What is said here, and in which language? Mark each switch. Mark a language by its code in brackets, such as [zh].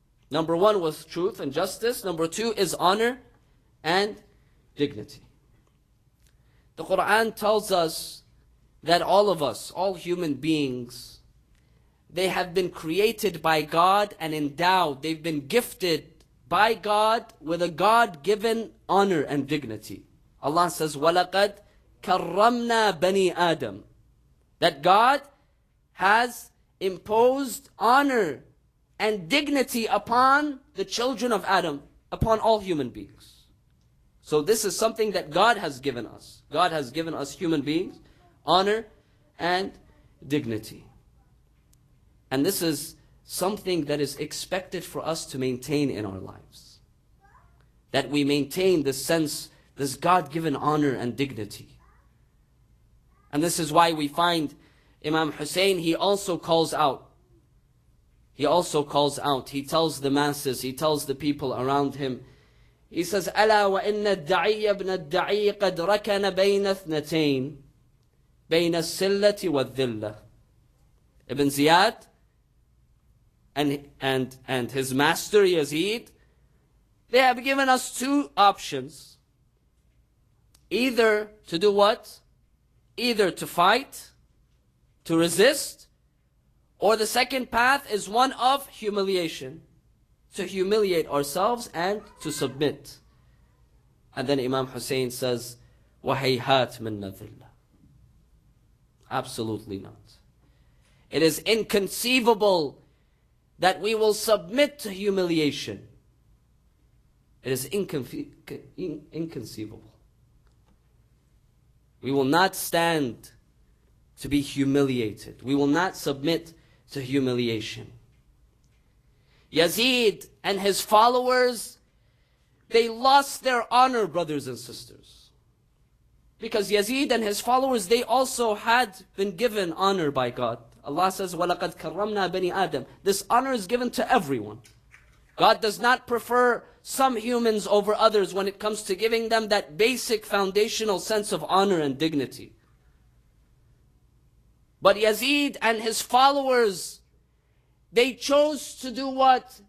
[en] Number one was truth and justice. Number two is honor and dignity. The Quran tells us that all of us, all human beings, they have been created by God and endowed. They've been gifted by God with a God-given honor and dignity. Allah says, [ar] وَلَقَدْ كَرَّمْنَا بَنِي آدَمَ. [en] That God has imposed honor and dignity upon the children of Adam, upon all human beings. So this is something that God has given us. God has given us human beings, honor and dignity. And this is something that is expected for us to maintain in our lives. That we maintain this sense, this God-given honor and dignity. And this is why we find Imam Hussein, he also calls out. He also calls out. He tells the masses, he tells the people around him. He says, [ar] أَلَا وَإِنَّ الدَّعِيَّ بْنَ الدَّعِيِّ قَدْ رَكَنَ بَيْنَ اثْنَتَيْنَ بَيْنَ السِّلَّةِ وَالذِّلَّةِ. [en] Ibn Ziyad and his master Yazid, they have given us two options. Either to do what? Either to fight, to resist, or the second path is one of humiliation, to humiliate ourselves and to submit. And then Imam Hussein says, [ar] وَهَيْهَاتْ مِنَّ ذِلَّةِ. [en] Absolutely not. It is inconceivable that we will submit to humiliation. It is inconceivable. We will not stand to be humiliated. We will not submit to humiliation. Yazid and his followers, they lost their honor, brothers and sisters. Because Yazid and his followers, they also had been given honor by God. Allah says, [ar] وَلَقَدْ كَرَّمْنَا بَنِي آدَمَ. [en] This honor is given to everyone. God does not prefer some humans over others when it comes to giving them that basic foundational sense of honor and dignity. But Yazid and his followers, they chose to do what?